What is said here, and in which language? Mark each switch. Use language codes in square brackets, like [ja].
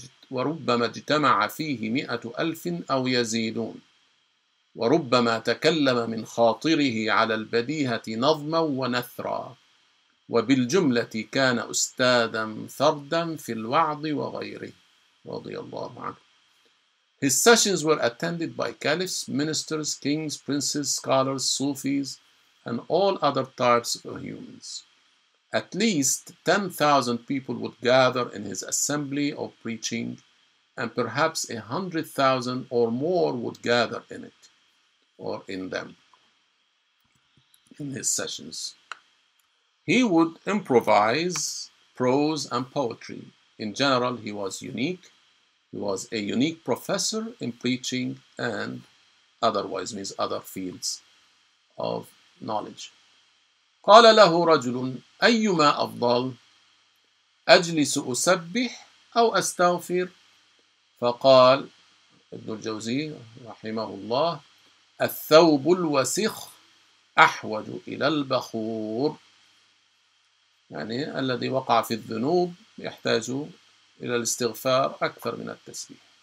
[ar] وربما اجتمع فيه 100,000 أو يزيدون. وربما تكلم من خاطره على البديهة نظما ونثرا وبالجملة كان أستاذا فردا في الوعظ وغيره رضي الله عنه. [en] His sessions were attended by caliphs, ministers, kings, princes, scholars, Sufis, and all other types of humans. At least 10,000 people would gather in his assembly of preaching, and perhaps 100,000 or more would gather in it. Or in them, in his sessions. He would improvise prose and poetry. In general, he was unique. He was a unique professor in preaching and otherwise, means other fields of knowledge. [ar] قال له رجل أيما أفضل أجلس أسبح أو أستغفر فقال ابن الجوزي رحمه الله الثوب الوسخ أحوج إلى البخور يعني الذي وقع في الذنوب يحتاج إلى الاستغفار أكثر من التسبيح